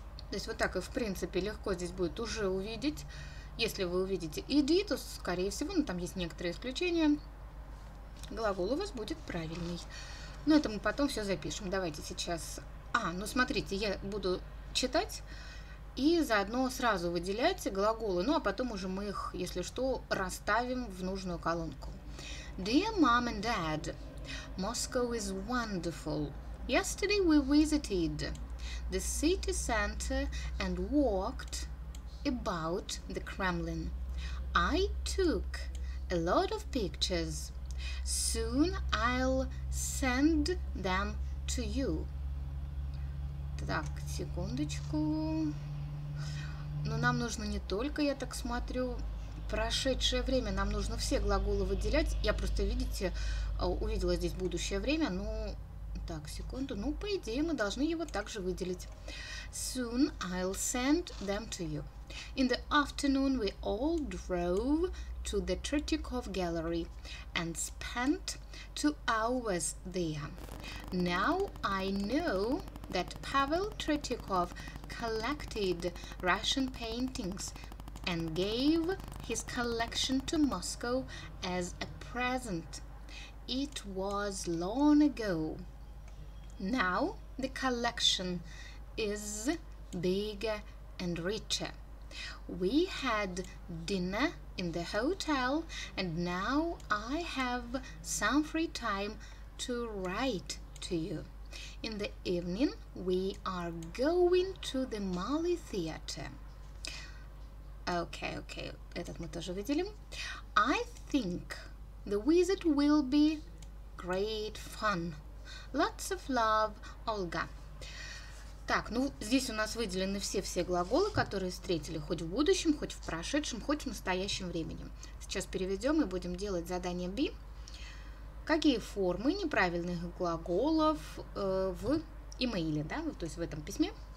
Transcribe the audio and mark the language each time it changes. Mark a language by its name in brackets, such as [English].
[Russian] То есть вот так и в принципе легко здесь будет уже увидеть. Если вы увидите -ed, то скорее всего, ну там есть некоторые исключения, глагол у вас будет правильный. Но это мы потом все запишем. Давайте сейчас... ну смотрите, я буду читать. И заодно сразу выделяйте глаголы, ну а потом уже мы их, если что, расставим в нужную колонку. [English] Dear Mom and Dad, Moscow is wonderful. Yesterday we visited the city center and walked about the Kremlin. I took a lot of pictures. Soon I'll send them to you. [Russian] Так, секундочку... Но нам нужно не только, я так смотрю, прошедшее время, нам нужно все глаголы выделять. Я просто, видите, увидела здесь будущее время, ну, так, секунду, ну, по идее, мы должны его также выделить. [English] Soon I'll send them to you. In the afternoon we all drove to the Tretyakov Gallery and spent 2 hours there. Now I know that Pavel Tretyakov collected Russian paintings and gave his collection to Moscow as a present. It was long ago. Now the collection is bigger and richer. We had dinner in the hotel and now I have some free time to write to you. In the evening we are going to the Mali Theater. Okay, okay, [Russian] этот мы тоже выделим. [English] I think the visit will be great fun. Lots of love, Olga. [Russian] Так, ну здесь у нас выделены все-все глаголы, которые встретили хоть в будущем, хоть в прошедшем, хоть в настоящем времени. Сейчас переведем и будем делать задание B. Какие формы неправильных глаголов в имейле, да, то есть в этом письме?